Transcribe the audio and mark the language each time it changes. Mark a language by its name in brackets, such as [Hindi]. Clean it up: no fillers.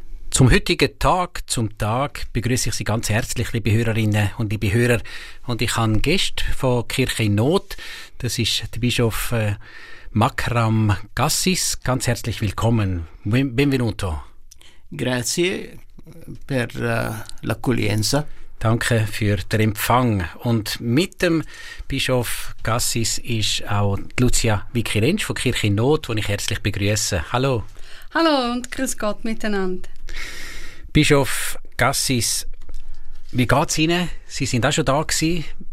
[German] Zum heutigen Tag zum Tag begrüße ich Sie ganz herzlich, liebe Hörerinnen und liebe Hörer. Und ich habe einen Gast von Kirche in Not. Das ist der Bischof Makram Gassis. Ganz herzlich willkommen. [Italian] Benvenuto. Grazie per l'accoglienza. [German] Danke für den Empfang. Und mit dem Bischof Gassis ist auch Lucia Vicirenz von Kirche in Not, die ich herzlich begrüße. Hallo. Hallo und grüß Gott miteinander. Bischof Gassis, wie geht es Ihnen? Sie sind auch schon da gewesen.